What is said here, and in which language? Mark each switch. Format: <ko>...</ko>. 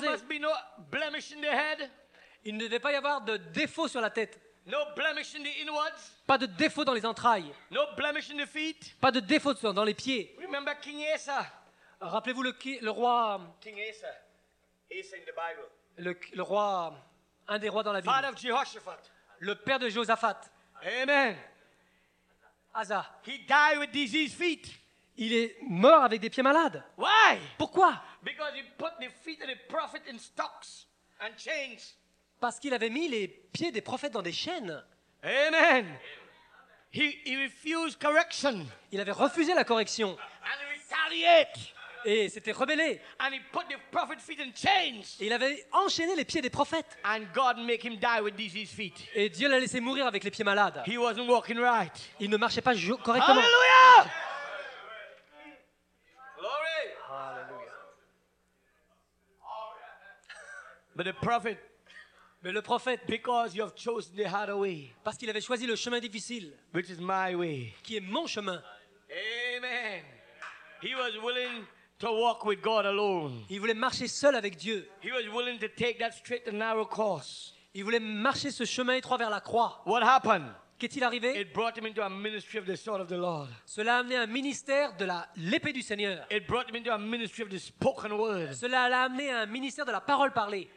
<en>There must be no blemish in the head.</en> <fr>Il ne devait pas y avoir de défaut sur la tête.</fr> <en>No blemish in the inwards.</en> <fr>Pas de défaut dans les entrailles.</fr> <en>No blemish in the feet.</en> <fr>Pas de défaut dans les pieds.</fr> <en>Remember King Asa.</en> <fr>Rappelez-vous le roi.</fr> <en>King Asa. Asa in the Bible.</en> <fr>Le roi, un des rois dans la Bible.</fr> <en>Father of Jehoshaphat.</en> <fr>Le père de Josaphat.</fr> <en>Amen. Asa. He died with diseased feet.</en> <fr>Il est mort avec des pieds malades.</fr> <en>Why?</en> <fr>Pourquoi?</fr> <en>Because he put the feet of the prophet in stocks and chains.</en> <fr>Parce qu'il avait mis les pieds des prophètes dans des chaînes.</fr> <en>Amen. He refused correction.</en> <fr>Il avait refusé la correction.</fr> <en>And retaliate.</en> <fr>Et s'était rebellé.</fr> <en>And he put the prophet's feet in chains.</en> <fr>Et il avait enchaîné les pieds des prophètes.</fr> <en>And God make him die with diseased feet.</en> <fr>Et Dieu l'a laissé mourir avec les pieds malades.</fr> <en>He wasn't walking right.</en> <fr>Il ne marchait pas correctement. Alléluia!</fr> <en>But the prophet,</en> <fr>mais le prophète,</fr> <en>because you have chosen the hard way,</en> <fr>parce qu'il avait choisi le chemin difficile,</fr> <en>which is my way,</en> <fr>qui est mon chemin.</fr> <en>Amen. He was willing to walk with God alone.</en> <fr>Il voulait marcher seul avec Dieu.</fr> <en>He was willing to take that straight and narrow course.</en> <fr>Il voulait marcher ce chemin étroit vers la croix.</fr> <en>What happened?</en> <fr>Qu'est-il arrivé?</fr> <en>It brought him into a ministry of the sword of the Lord.</en> <fr>Cela a amené un ministère de l'épée du Seigneur.</fr> <en>It brought him into a ministry of the spoken word.</en> <fr>Cela l'a amené un ministère de la parole parlée.</fr>